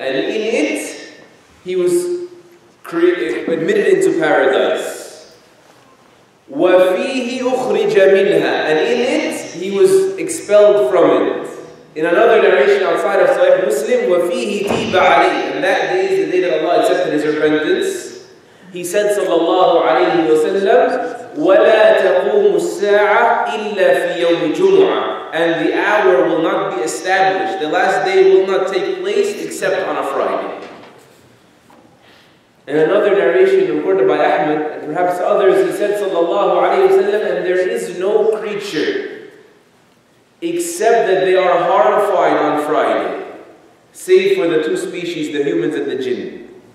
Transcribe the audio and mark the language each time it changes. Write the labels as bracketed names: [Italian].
[English] And in it, he was admitted into paradise. [Arabic] وَفِيهِ أُخْرِجَ مِنْهَا. [English] And in it, he was expelled from it. In another narration outside of Sahih Muslim, [Arabic] وَفِيهِ تِيبَ عَلِيهِ. [English] And that day is the day that Allah accepted his repentance. He said, sallallahu alayhi wa sallam, [Arabic] وَلَا تَقُومُ السَّاعَةِ إِلَّا فِي يَوْمِ جُمُعَةِ. [English] And the hour will not be established. The last day will not take place except on a Friday. In another narration recorded by Ahmed, and perhaps others, he said, sallallahu alayhi wa sallam, and there is no creature except that they are horrified on Friday, save for the two species, the humans and the jinn.